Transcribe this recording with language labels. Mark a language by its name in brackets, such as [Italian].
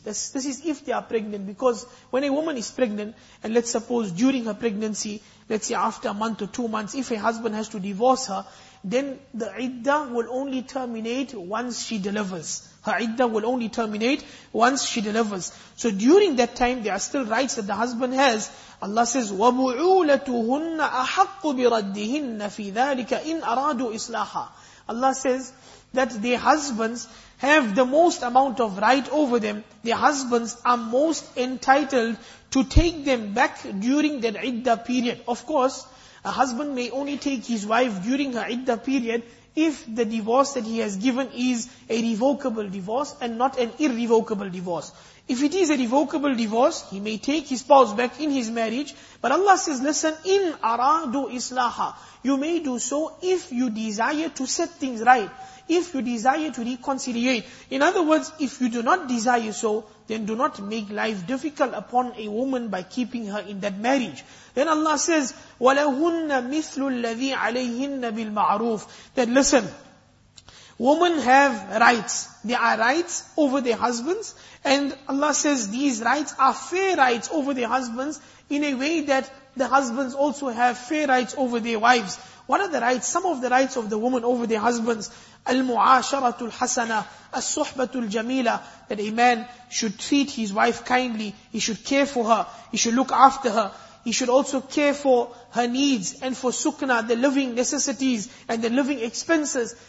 [English] This is if they are pregnant, because when a woman is pregnant, and let's suppose during her pregnancy, let's say after a month or 2 months, if her husband has to divorce her, then the iddah will only terminate once she delivers. Her iddah will only terminate once she delivers. So during that time, there are still rights that the husband has. Allah says, [Arabic] وَبُعُولَتُهُنَّ أَحَقُّ بِرَدِّهِنَّ فِي ذَلِكَ إِنْ أَرَادُوا إِصْلَاحًا. [English] Allah says that their husbands have the most amount of right over them. Their husbands are most entitled to take them back during that iddah period. Of course, a husband may only take his wife during her iddah period if the divorce that he has given is a revocable divorce and not an irrevocable divorce. If it is a revocable divorce, he may take his spouse back in his marriage. But Allah says, listen, in aradu islaha, you may do so if you desire to set things right, if you desire to reconciliate. In other words, if you do not desire so, then do not make life difficult upon a woman by keeping her in that marriage. Then Allah says, [Arabic] وَلَهُنَّ مِثْلُ الَّذِي عَلَيْهِنَّ بِالْمَعْرُوفِ. [English] Then listen, women have rights. There are rights over their husbands. And Allah says these rights are fair rights over their husbands in a way that the husbands also have fair rights over their wives. What are the rights? Some of the rights of the woman over their husbands. Al-mu'asharatul hasana, as-suhbatul jamila, that a man should treat his wife kindly, he should care for her, he should look after her, he should also care for her needs and for sukna, the living necessities and the living expenses.